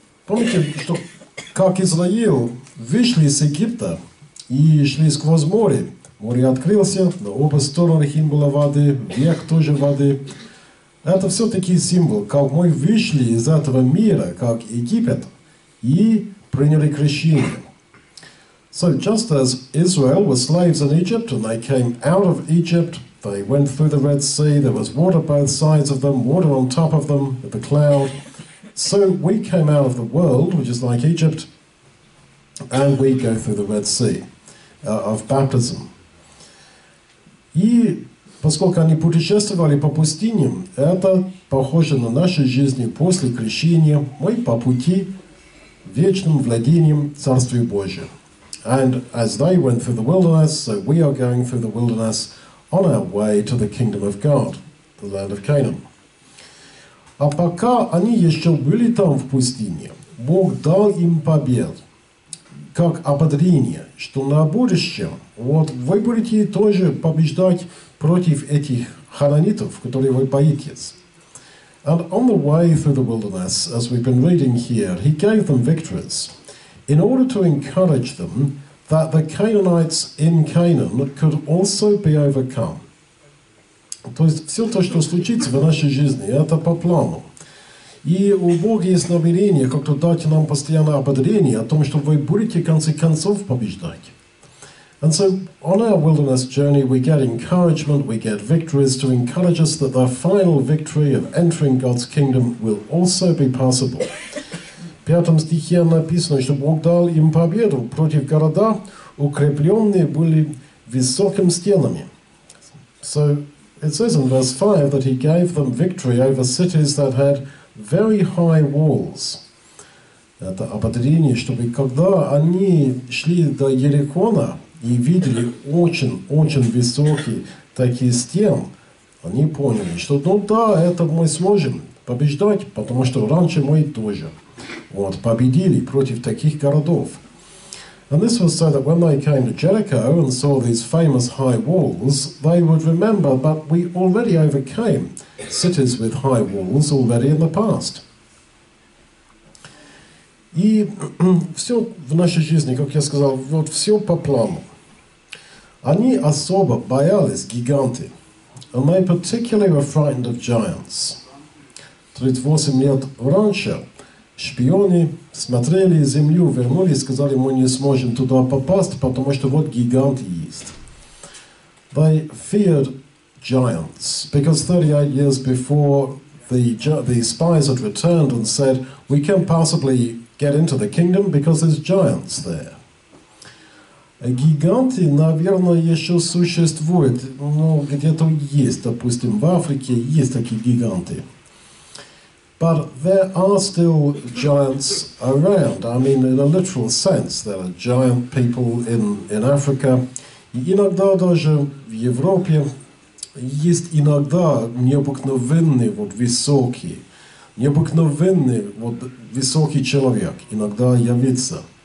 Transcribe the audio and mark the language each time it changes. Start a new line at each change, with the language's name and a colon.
Russian: Помните, что как Израил вышли из Египта и шли сквозь море. Море открылся, на обе стороны им было воды, вверх тоже воды. Это все-таки символ, как мы вышли из этого мира, как Египет, и приняли крещение.
English: So just as Israel was slaves in Egypt, and they came out of Egypt, they went through the Red Sea, there was water both sides of them, water on top of them, the cloud. So we came out of the world, which is like Egypt, and we go through the Red Sea of baptism.
Russian: И поскольку они путешествовали по пустыням, это похоже на нашу жизнь после крещения, мы по пути вечным владением Царствия Божия.
English: And as they went through the wilderness, so we are going through the wilderness on our way to the kingdom of God, the land of Canaan.
Russian: А пока они еще были там в пустыне, Бог дал им победу, как ободрение, что на будущем, вот вы будете тоже побеждать против этих хананитов, которые вы боитесь.
English: And on the way through the wilderness, as we've been reading here, he gave them victories. In order to encourage them that the Canaanites in Canaan could also be overcome.
Russian: То есть все то, что случится в нашей жизни, это по плану. И у Бога есть намерение как-то дать нам постоянное ободрение о том, что вы будете в конце концов побеждать.
English: And so on our wilderness journey we get encouragement, we get victories to encourage us that the final victory of entering God's kingdom will also be possible.
Russian: В пятом стихе написано, что Бог дал им победу против города, укрепленные были высокими стенами.
English: So it says in verse 5 that he gave them victory over cities that had very high walls.
Russian: Это ободрение, чтобы когда они шли до Иерихона и видели очень-очень высокие такие стены, они поняли, что ну да, это мы сможем побеждать, потому что раньше мы тоже. Вот, победили против таких городов.
English: And this was so that when they came to Jericho and saw these famous high walls, they would remember that we already overcame cities with high walls already in the past.
Russian: И все в нашей жизни, как я сказал, вот все по плану. Они особо боялись гиганты.
English: And they particularly were frightened of giants.
Russian: 38 лет раньше шпионы смотрели землю, вернулись, сказали, мы не сможем туда попасть, потому что вот гигант есть.
English: They feared giants, because 38 years before the spies had returned and said, we can possibly get into the kingdom because there's giants there.
Russian: Гиганты, наверное, еще существуют, но где-то есть, допустим, в Африке есть такие гиганты.
English: But there are still giants around. I mean, in a literal sense, there are giant people in Africa.
Russian: Иногда даже в Европе есть иногда необыкновенный вот высокий, необыкновенный вот высокий человек иногда явится.